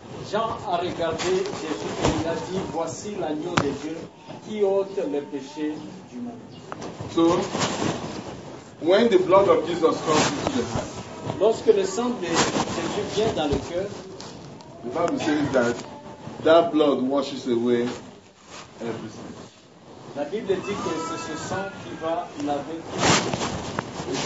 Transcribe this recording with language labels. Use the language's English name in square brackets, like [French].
[French] Jean a regardé Jésus et il a dit, voici l'agneau de Dieu qui ôte les péchés du monde. [English] So, when the blood of Jesus comes into the heart, [French] lorsque le sang de Jésus vient dans le cœur, [English] the Bible says that that blood washes away everything. [French] La Bible dit que c'est ce sang qui va laver tout.